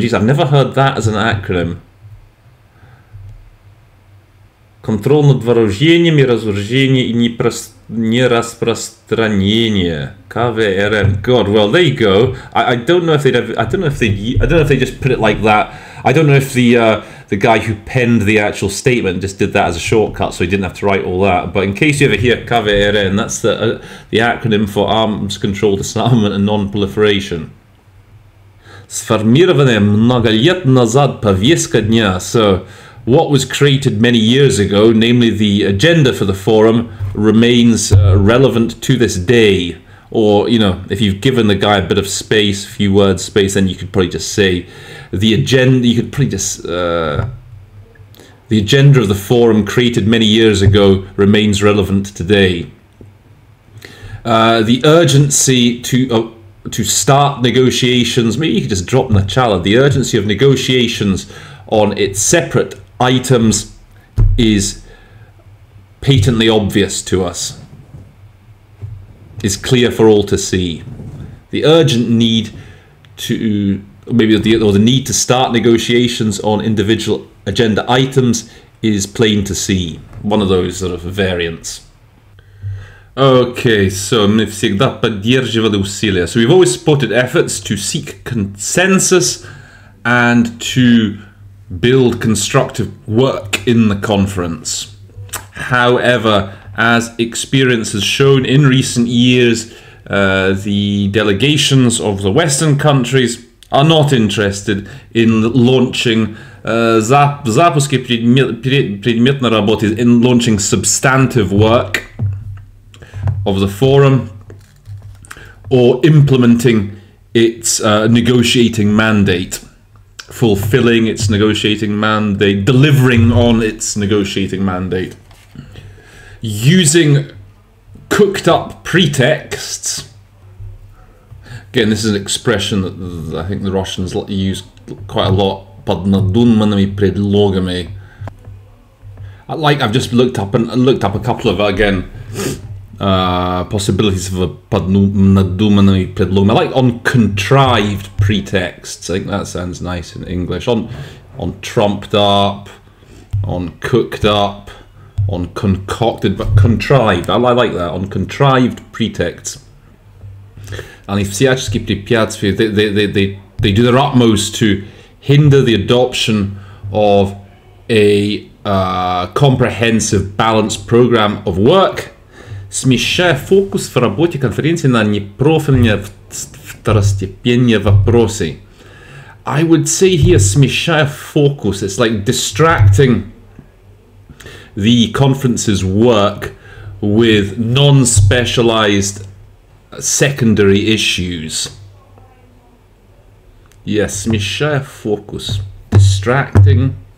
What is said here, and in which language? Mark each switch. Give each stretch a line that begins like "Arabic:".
English: Jeez, I've never heard that as an acronym.
Russian: Control над вооружением и разоружением и нераспространение.
English: КВРМ. God, well, there you go. I don't know if they just put it like that. I don't know if the guy who penned the actual statement just did that as a shortcut, so he didn't have to write all that. But in case you ever hear KVRN, that's the acronym for arms control, disarmament, and non-proliferation.
Russian: Сформированная много лет назад повестка дня.
English: So, what was created many years ago, namely the agenda for the forum, remains relevant to this day. Or, you know, if you've given the guy a bit of space, a few words space, then you could probably just say the agenda. You could probably just the agenda of the forum created many years ago remains relevant today. The urgency to start negotiations. Maybe you could just drop начало. The urgency of negotiations on its separate items is patently obvious to us. Is clear for all to see. The urgent need to need to start negotiations on individual agenda items is plain to see. One of those sort of variants. Okay, so
Russian: мы всегда поддерживали усилия.
English: So we've always supported efforts to seek consensus and to build constructive work in the conference. However, as experience has shown in recent years, the delegations of the Western countries are not interested in launching
Russian: запуски предметной работы,
English: in launching substantive work of the forum, or implementing its negotiating mandate, fulfilling its negotiating mandate, delivering on its negotiating mandate. Using cooked up pretexts. Again, this is an expression that I think the Russians use quite a lot.
Russian: Под надуманными предлогами.
English: Like, I've just looked up a couple of, again, possibilities for
Russian: под надуманными предлогами.
English: I like on contrived pretexts. I think that sounds nice in English. On trumped up, on cooked up, on concocted, but contrived. I like that, on contrived pretexts. And if
Russian: всячески препятствия,
English: they do their utmost to hinder the adoption of a comprehensive, balanced program of work.
Russian: Смещая фокус в работе конференции на непрофильные второстепенные вопросы.
English: I would say here,
Russian: смещая фокус,
English: it's like distracting the conference's work with non-specialized secondary issues. Yes, смещая focus, distracting.